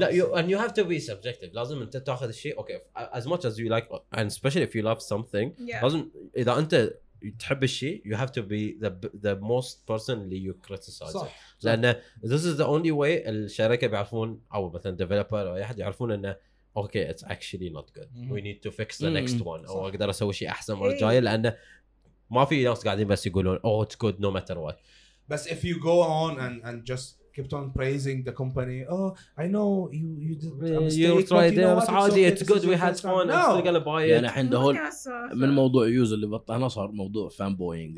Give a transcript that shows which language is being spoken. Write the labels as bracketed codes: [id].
[en] لا, and you have to be subjective. [ar] لازم أنت تأخذ الشيء. [en] Okay, as much as you like, and especially if you love something, [ar] لازم إذا أنت تحب الشيء, [en] you have to be the most person اللي you criticize. لأن this is the only way [ar] الشركة بيعرفون, أو مثلاً developer أو أي أحد يعرفون إنه [en] okay, it's actually not good. We need to fix the next one. [ar] أو أقدر أسوي شيء أحسن مرة جاية, لأن ما في ناس قاعدين بس يقولون [en] oh it's good no matter what. But if you go on and just kept on praising the company, oh I know you did a mistake, you tried it, it's okay, it's good, we had fun, I'm still gonna buy it. [ar] يعني الحين دهول من موضوع يوز اللي بطلنا صار موضوع فان بوينج.